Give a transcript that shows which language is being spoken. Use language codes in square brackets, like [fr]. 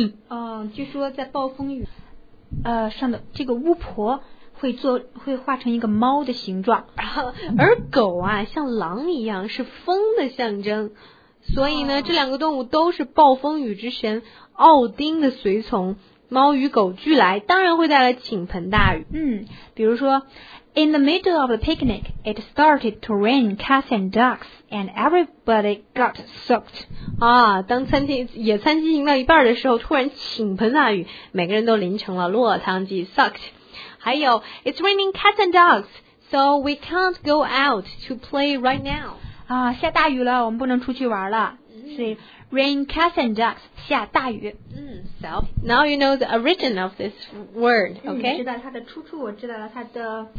[zh] 嗯，据说在暴风雨上的这个巫婆会化成一个猫的形状，而狗啊像狼一样是风的象征，所以呢、这两个动物都是暴风雨之神奥丁的随从。猫与狗俱来，当然会带来倾盆大雨。 [en] 嗯， [zh] 比如说 [en] ，In the middle of the picnic, it started to rain cats and dogs, and everybody got soaked. [zh] 啊，当餐厅野餐进行到一半的时候，突然倾盆大雨，每个人都淋成了落汤鸡 ，soaked。还有 [en] ，It's raining cats and dogs, so we can't go out to play right now. [zh] 啊，下大雨了，我们不能出去玩了。是 [en] rain cats and dogs [zh] 下大雨。 [en] 嗯 ，so now you know the origin of this word. Okay. [zh] 知道它的出处，我知道了它的